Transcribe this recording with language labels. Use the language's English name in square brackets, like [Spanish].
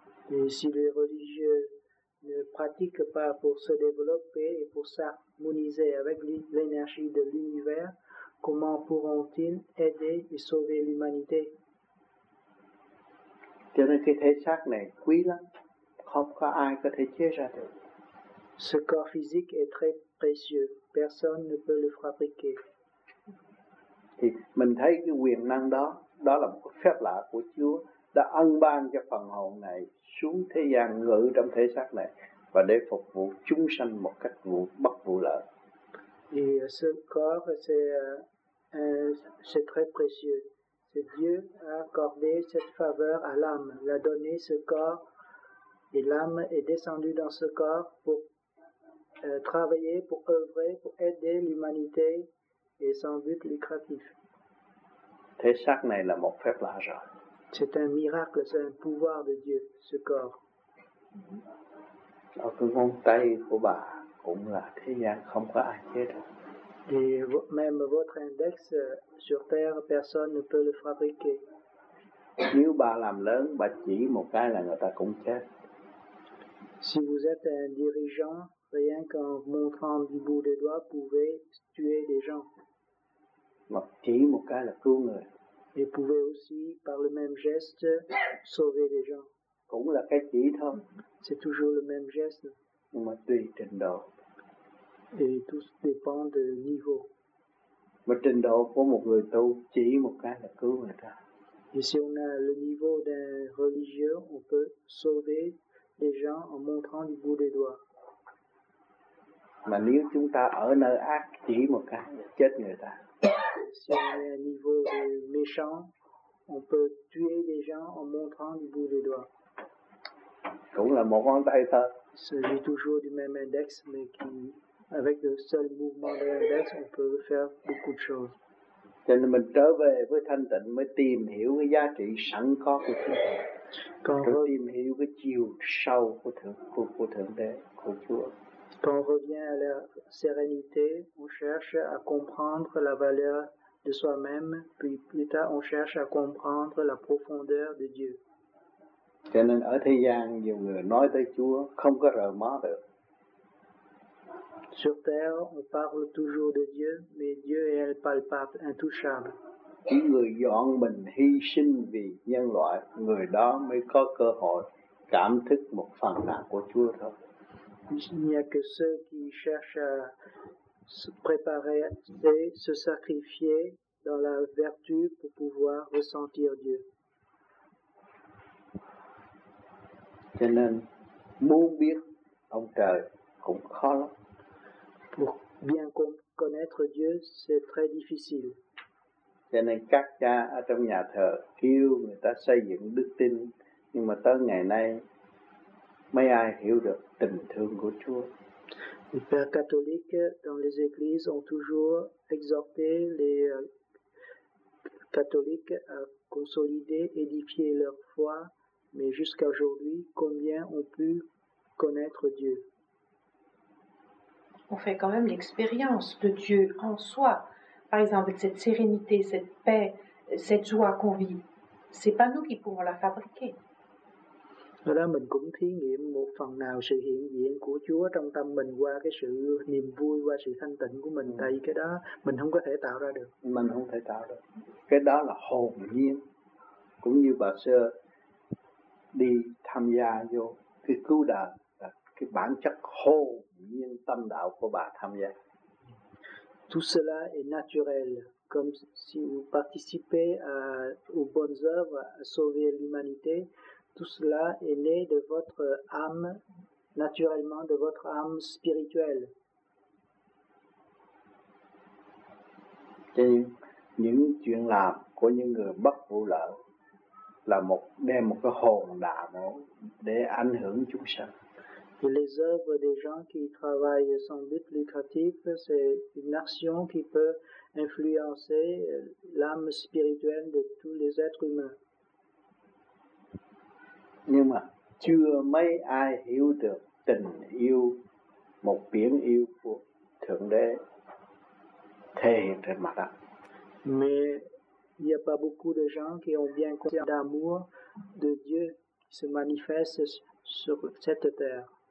[French] Et si les religieux ne pratiquent pas pour se développer et pour s'harmoniser avec l'énergie de l'univers, comment pourront-ils aider et sauver l'humanité? [Vietnamese] Cho nên cái thể xác này quý lắm, không có ai có thể chế ra được. [French] Ce corps physique est très précieux. Personne ne peut le fabriquer. [Vietnamese] Thì mình thấy cái quyền năng đó, đó là một phép lạ của Chúa đã ân ban cho phần hồn này xuống thế gian ngự trong thể xác này và để phục vụ chúng sanh một cách bất vụ lợi. [French] Et ce corps c'est très précieux. C'est Dieu a accordé cette faveur à l'âme, l'a donné ce corps et l'âme est descendue dans ce corps pour travailler, pour œuvrer, pour aider l'humanité et sans but lucratif. [Vietnamese] Thế xác này là một phép lạ rồi. [French] C'est un miracle, c'est un pouvoir de Dieu, ce corps. [Vietnamese] Ở cái ngón tay của bà cũng là thế gian không có ai chế được. [French] Et même votre index sur terre, personne ne peut le fabriquer. [Vietnamese] Nếu bà làm lớn, bà chỉ một cái là người ta cũng chết. [French] Si vous êtes un dirigeant, rien qu'en montrant du bout des doigts pouvait tuer des gens. [Vietnamese] Mà chỉ một cái là cứu người. [French] Et pouvait aussi, par le même geste, sauver des gens. [Vietnamese] Cũng là cái chỉ thôi. [French] C'est toujours le même geste. [Vietnamese] Nhưng mà tùy trình độ. [French] Et tout dépend de niveau. [Vietnamese] Mà trình độ của một người tu chỉ một cái là cứu người ta. [French] Et si on a le niveau d'un religieux, on peut sauver des gens en montrant du bout des doigts. [Vietnamese] Mà nếu chúng ta ở nơi ác chỉ một cái chết người ta. [French] Si on est à niveau de méchant, on peut tuer des gens en montrant du bout des doigts. [Vietnamese] Cũng là một ngón tay thôi. [French] C'est toujours du même index, mais qui, avec le seul mouvement de l'index, on peut faire beaucoup de choses. [Vietnamese] Cho nên mình trở về với thanh tịnh mới tìm hiểu cái giá trị sẵn có của chúng ta. Còn tìm hiểu cái chiều sâu của thượng đế của Chúa. [French] Quand on revient à la sérénité, on cherche à comprendre la valeur de soi-même, puis plus tard on cherche à comprendre la profondeur de Dieu. [Vietnamese] Cho nên ở thế gian, nhiều người nói tới Chúa, không có rời mó được. [French] Sur terre, on parle toujours de Dieu, mais Dieu est palpable, intouchable. [Vietnamese] Người dọn mình hy sinh vì nhân loại, người đó mới có cơ hội cảm thức một phần nào của Chúa thôi. [French] Il n'y a que ceux qui cherchent à se préparer et se sacrifier dans la vertu pour pouvoir ressentir Dieu. [Vietnamese] Cho nên, muốn biết ông trời cũng khó lắm. [French] Pour bien connaître Dieu, c'est très difficile. [Vietnamese] Cho nên các cha ở trong nhà thờ kêu người ta xây dựng đức tin, nhưng mà tới ngày nay mấy ai hiểu được tình thương của Chúa. [French] Les pères catholiques dans les églises ont toujours exhorté les catholiques à consolider, édifier leur foi, mais jusqu'à aujourd'hui, combien ont pu connaître Dieu? On fait quand même l'expérience de Dieu en soi. Par exemple, cette sérénité, cette paix, cette joie qu'on vit, c'est pas nous qui pouvons la fabriquer. [Vietnamese] Là mình cũng thí nghiệm một phần nào sự hiện diện của Chúa trong tâm mình qua cái sự niềm vui, qua sự thanh tịnh của mình. Tại cái đó mình không có thể tạo ra được. Mình không thể tạo được. Cái đó là hồn nhiên. Cũng như bà sơ đi tham gia vô cái cứu đời, cái bản chất hồn nhiên tâm đạo của bà tham gia. [French] Tout cela est naturel, comme si vous participez aux bonnes œuvres, à sauver l'humanité. Tout cela est né de votre âme, naturellement de votre âme spirituelle. [Vietnamese] Cho nên, những chuyện làm của những người bất vụ lợi là một đem một cái hồn đạo để ảnh hưởng chúng sanh. [French] Les œuvres des gens qui travaillent sans but lucratif, c'est une action qui peut influencer l'âme spirituelle de tous les êtres humains. [Vietnamese] Nhưng mà chưa mấy ai hiểu được tình yêu, một biển yêu của Thượng Đế thể hiện trên mặt đất. [French] Mais il n'y a pas beaucoup de gens qui ont bien conscience d'amour de Dieu qui se manifeste sur cette terre.